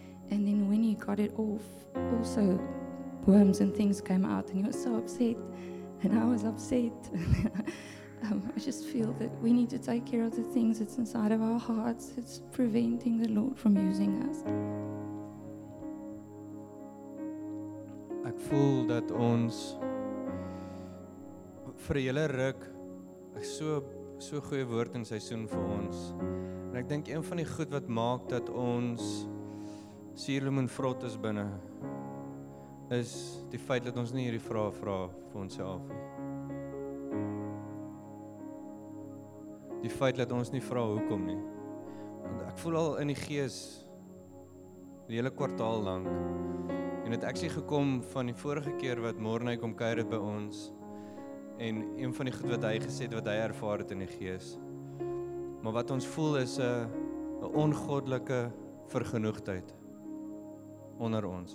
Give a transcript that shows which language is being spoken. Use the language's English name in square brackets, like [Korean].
[English] And then when he got it off, also worms and things came out, and he was so upset, and I was upset. I just feel that we need to take care of the things that's inside of our hearts that's preventing the Lord from using us. [Afrikaans] Ek voel dat ons vir julle ruk so goeie woord in seisoen vir ons. En ek dink een van die goed wat maak dat ons suurlemoenvrot is binne, is die feit dat ons nie hierdie vrae vra vir onsself nie. Die feit dat ons nie vra hoekom nie. Want ek voel al in die gees die hele kwartaal lank. En het actually gekom van die vorige keer wat Morney kom kuier het by ons. En een van die goed wat hy gesê het, wat hy ervaar het in die gees. Maar wat ons voel is 'n ongoddelike vergenoegdheid onder ons.